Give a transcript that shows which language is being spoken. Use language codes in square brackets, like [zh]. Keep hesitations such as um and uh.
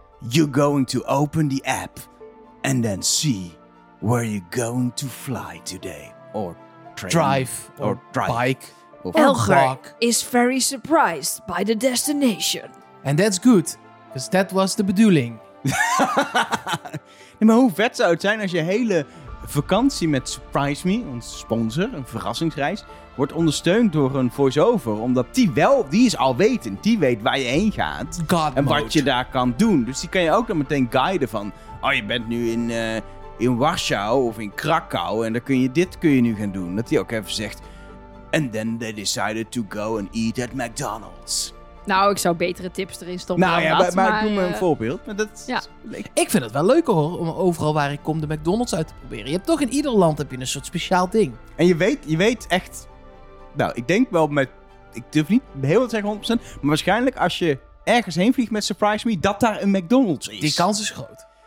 [en] you're going to open the app and then see where you're going to fly today or train. drive or, or, drive. bike or Elger walk. is very surprised by the destination. And that's good, because that was the [nl] bedoeling. nee, maar vet zou het zijn als je hele vakantie met Surprise Me, ons sponsor, een verrassingsreis, wordt ondersteund door een voiceover. Omdat die wel, die is al wetend. Die weet waar je heen gaat. Godmode. en wat je daar kan doen. Dus die kan je ook dan meteen guiden van. Oh, je bent nu in, uh, in Warschau of in Krakau. En dan kun je dit kun je nu gaan doen. Dat die ook even zegt. [en] And then they decided to go and eat at McDonald's. [nl] Nou, ik zou betere tips erin stoppen. Nou ja, dat, maar, maar, maar, ik noem maar een uh... voorbeeld. Maar dat ja. ik vind het wel leuker hoor, om overal waar ik kom de McDonald's uit te proberen. Je hebt toch in ieder land heb je een soort speciaal ding. En je weet, je weet echt. Nou, ik denk wel met. Ik durf niet heel wat zeggen 100%. Maar waarschijnlijk als je ergens heen vliegt met Surprise Me, dat daar een McDonald's is. Die kans is groot.